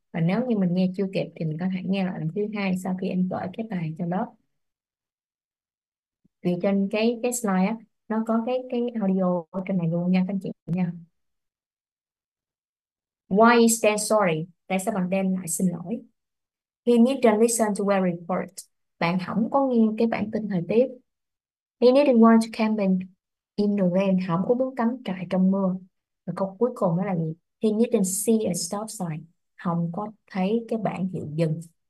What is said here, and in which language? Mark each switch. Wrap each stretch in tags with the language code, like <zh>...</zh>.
<vi>Và nếu như mình nghe chưa kịp thì mình có thể nghe lại lần thứ hai sau khi em gửi cái bài cho lớp, vì trên cái slide á nó có cái audio ở trên này luôn nha các anh chị nha.</vi> <en>Why is Dan sorry?</en> <vi>Tại sao bạn Dan lại xin lỗi?</vi> <en>He didn't listen to weather report.</en> <vi>Bạn không có nghe cái bản tin thời tiết.</vi> <en>He didn't want to camp in the rain.</en> <vi>Không có muốn cắm trại trong mưa. Và câu cuối cùng đó là gì?</vi> <en>He didn't see a stop sign.</en> <vi>Không có thấy cái bảng hiệu dừng.</vi>